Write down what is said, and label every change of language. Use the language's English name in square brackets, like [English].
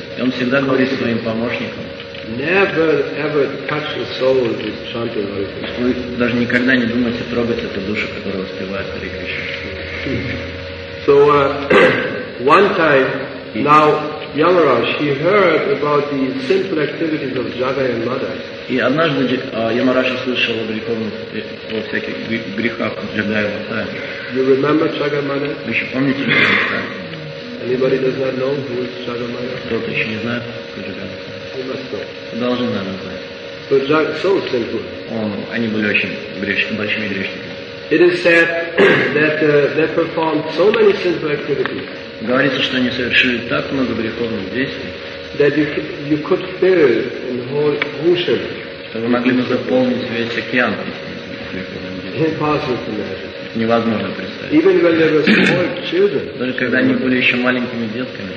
[Russian] И он всегда говорит своим помощникам, вы даже никогда не думайте трогать эту душу, которая воспевает Харе Кришна. [English] So, one time, now, Yamaraj, he heard about the sinful activities of Jagai and Madai. [Russian] И однажды Ямарадж услышал о греховных, о всяких грехах Джагая и Мадая. [English] You remember Jagai and Madai? [Russian] Вы еще помните Jagai and Madai? [English] Anybody does not know who is Jagai and Madai? [Russian] Кто-то еще не знает, кто Jagai and Madai? [English] You must know. [Russian] Должен, наверное, знать. [English] So Jagai, so sinful. [Russian] Они были очень большими грешниками. [English] It is said that they performed so many sinful activities. [Russian] Говорится, что они совершили так много греховных действий, [English] that you could fill in whole ocean, [Russian] что вы могли бы заполнить весь океан греховными действиями. Невозможно представить. [English] Even when they were small children, [Russian] даже когда они были еще маленькими детками,